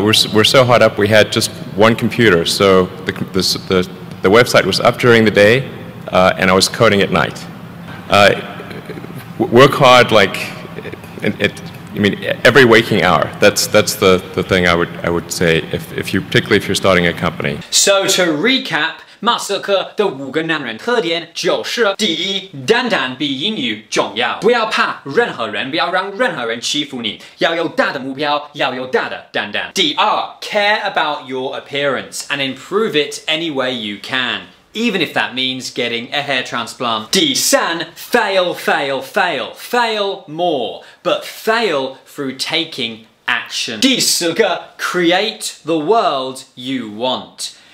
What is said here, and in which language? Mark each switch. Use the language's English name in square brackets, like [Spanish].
[English] We're so hot up. We had just one computer, so the website was up during the day, and I was coding at night. Work hard, like I mean every waking hour. That's the thing I would say if you're starting a company. So to recap. [Chinese] 马斯克的五个男人特点就是：第一，蛋蛋比英语重要。不要怕任何人，不要让任何人欺负你。要有大的目标，要有大的蛋蛋。第二 [English] ，care about your appearance and improve it any way you can, even if that means getting a hair transplant. [Chinese] 第三 [English] ，fail, fail, fail, fail more, but fail through taking action. [Chinese] 第四个 [English] ，create the world you want.